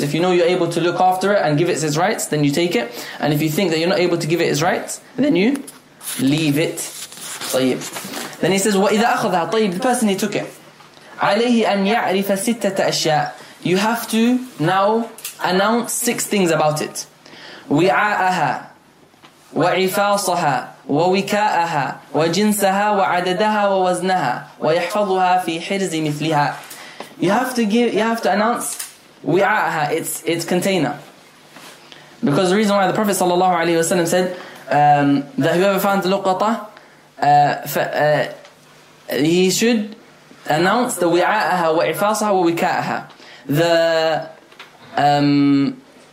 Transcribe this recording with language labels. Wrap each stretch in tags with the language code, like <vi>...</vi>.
<en>If you know you're able to look after it and give it its rights, then you take it. And if you think that you're not able to give it its rights, then you leave it. طيب. Then he says,</en> <ar>وَإِذَا أَخْذَهَا.</ar> <en>طيب, the person he took it.</en> <ar>عَلَيْهِ أَنْ يَعْرِفَ سِتَّةَ أَشْيَاءَ.</ar> <en>You have to now announce 6 things about it.</en> <ar>وِعَاءَهَا وَعِفَاصَهَا ووكاءها وجنسها وعددها ووزنها ويحفظها في حرز مثلها.</ar> <en>You have to announce وعاءها, its container. Because the reason why the Prophet ﷺ said that whoever finds the luqata, he should announce the wi'a'aha wa ifasaha wa wika'aha.</en>